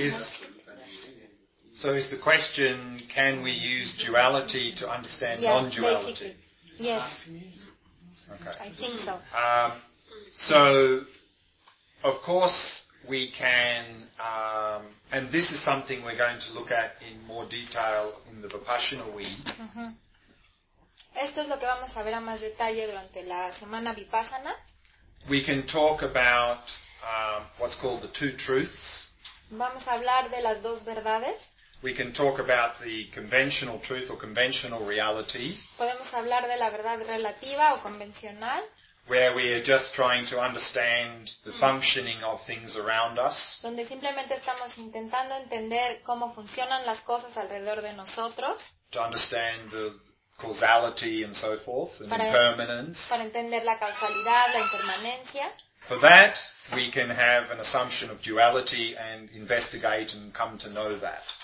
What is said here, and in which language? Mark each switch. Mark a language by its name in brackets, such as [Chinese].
[English] is. So is the question, can we use duality to understand non-duality? Basically. Yes. Okay. I think so. So, of course, we can, and this is something we're going to look at in more detail in the Vipassana week. Uh-huh. [Spanish] Esto es lo que vamos a ver a más detalle durante la semana Vipassana. [English] We can talk about what's called the two truths. [Spanish] Vamos a hablar de las dos verdades. [English] We can talk about the conventional truth or conventional reality. [Spanish] Podemos hablar de la verdad relativa o convencional. [English] Where we are just trying to understand the functioning of things around us. [Spanish] Donde simplemente estamos intentando entender cómo funcionan las cosas alrededor de nosotros. [English] To understand the causality and so forth, and impermanence. [Spanish] Para entender la causalidad, la impermanencia. [English] For that, we can have an assumption of duality and investigate and come to know that.